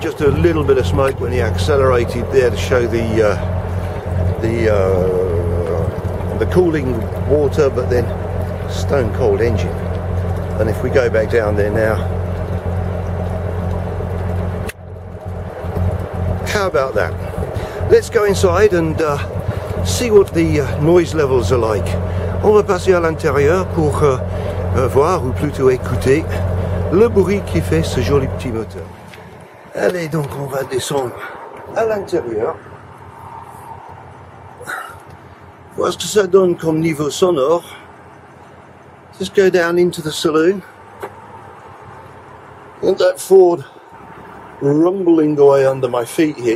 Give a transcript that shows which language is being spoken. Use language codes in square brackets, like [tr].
[en] Just a little bit of smoke when he accelerated there to show the cooling water, but then stone cold engine. And if we go back down there now, how about that? Let's go inside and see what the noise levels are like. [fr] On va passer à l'intérieur pour voir, ou plutôt écouter, le bruit qui fait ce joli petit moteur. Allez, donc on va descendre à l'intérieur. Voir ce que ça donne comme niveau sonore. [en] Just go down into the saloon. And that Ford rumbling away under my feet here.